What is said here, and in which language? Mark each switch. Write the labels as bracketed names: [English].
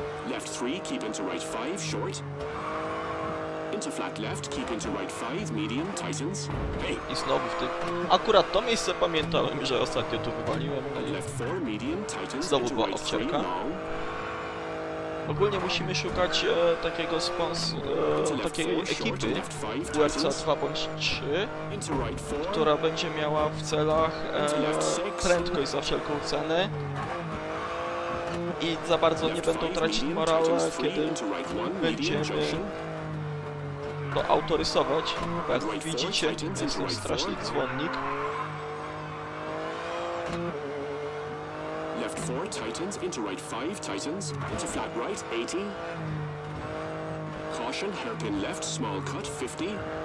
[English] Left 3, keep into right 5, short. Into flat left, keep into right 5, medium, tightens. [Polish] Hey. I znowu w tym... Akurat to miejsce pamiętałem, że ostatnio tu wywaliłem. No i... [English] Left 4, medium, tightens. [Polish] Znowu była obcierka. Ogólnie musimy szukać takiego takiej ekipy WRC 2 bądź 3, która będzie miała w celach prędkość za wszelką cenę i za bardzo nie będą tracić morale, kiedy będziemy to autorysować. Jak widzicie, jest to straszny dzwonnik. [English] Left 4, tightens, into right 5, tightens, into flat right, 80. Caution, hairpin left, small cut, 50.